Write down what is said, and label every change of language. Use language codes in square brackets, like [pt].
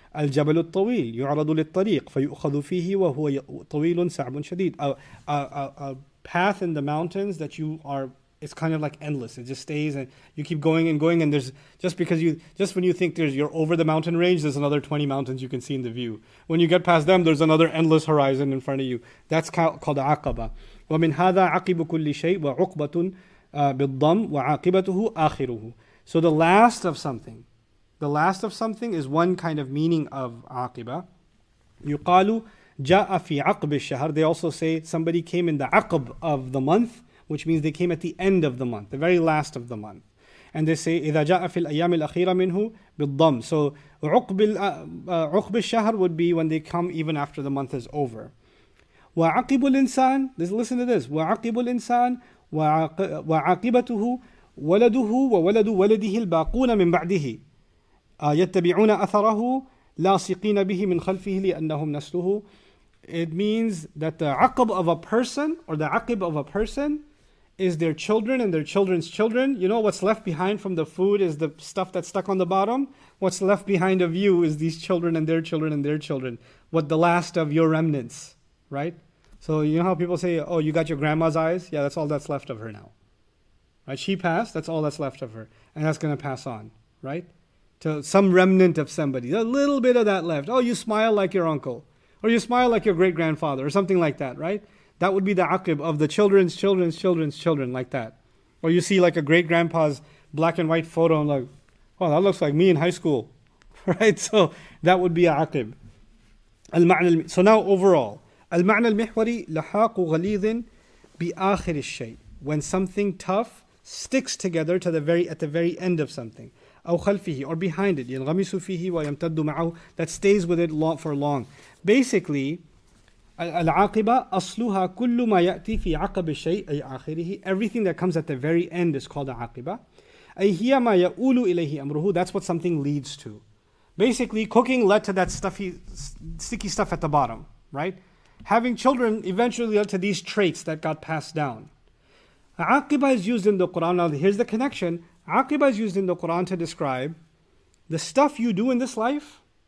[ar] الجبل الطويل يعرض للطريق فيؤخذ فيه وهو طويل صعب شديد. [en] A path in the mountains that you are, it's kind of like endless. It just stays and you keep going and going, and there's, just because you, just when you think there's, you're over the mountain range, there's another 20 mountains you can see in the view. When you get past them, there's another endless horizon in front of you. That's called عقبة. [ar] ومن هذا عقب كل شيء وعقبة بالضم وعاقبته آخره. [en] So the last of something, the last of something is one kind of meaning of aqiba. [ar] يقالوا جاء في عقب الشهر. [en] They also say somebody came in the عقب of the month, which means they came at the end of the month, the very last of the month. And they say [ar] إذا جاء في الأيام الأخيرة منه بالضم. [en] So عقب الشهر would be when they come even after the month is over. [ar] وعقب الإنسان. [en] Listen to this. [ar] وعقب الإنسان وعاقبته ولده وولد ولده الباقون من بعده يتبعون أثره لاصقين به من خلفه لأنهم نسله. [en] It means that the عقب of a person, or the عقب of a person, is their children and their children's children. You know what's left behind from the food is the stuff that's stuck on the bottom. What's left behind of you is these children and their children and their children. What, the last of your remnants, right? So you know how people say, oh, you got your grandma's eyes? Yeah, that's all that's left of her now. Right? She passed, that's all that's left of her. And that's going to pass on, right? To some remnant of somebody. A little bit of that left. Oh, you smile like your uncle. Or you smile like your great-grandfather, or something like that, right? That would be the aqib of the children's children's children's children, like that. Or you see like a great-grandpa's black and white photo and like, oh, that looks like me in high school, right? So that would be a aqib. So now overall, [ar] المعنى المحوري لحاق غليظ بآخر الشيء. [en] When something tough sticks together to the very at the very end of something. [ar] أو خلفه, [en] or behind it. [ar] ينغمس فيه ويمتد معه, [en] that stays with it long, for long. [ar] Basically, العاقبة أصلها كل ما يأتي في عقب الشيء أي آخره. [en] Everything that comes at the very end is called عاقبة. [ar] أي هي ما يؤول إليه أمره. [en] That's what something leads to. Basically, cooking led to that stuffy, sticky stuff at the bottom, right? Having children eventually led to these traits that got passed down. عاقبة is used in the Quran. Now, here's the connection. عاقبة is used in the Quran to describe the stuff you do in this life.